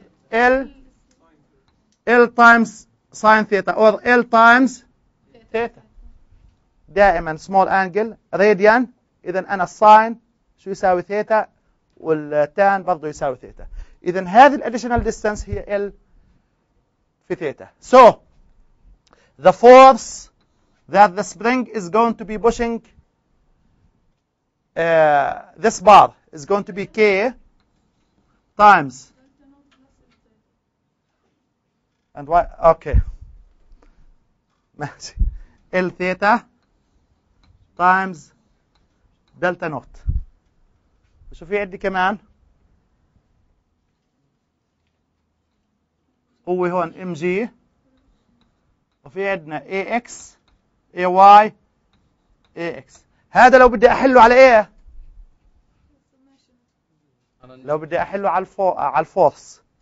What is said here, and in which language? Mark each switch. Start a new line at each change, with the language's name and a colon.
English: L times sine theta or L times theta.
Arabic: دائما
English: small angle, radian.
Arabic: إذن أنا sine شو يساوي ثيتا والتان برضو يساوي ثيتا. إذن هذه الاديشنال ديستانس هي L في ثيتا.
English: So the force that the spring is going to be pushing this bar is going to be K times and why okay
Arabic: ماشي
English: L theta times delta nought.
Arabic: شو في عندي كمان؟ قوة هون MG وفي عندنا AX AY AX. هذا لو بدي أحله على إيه؟ لو بدي أحله على الفورس.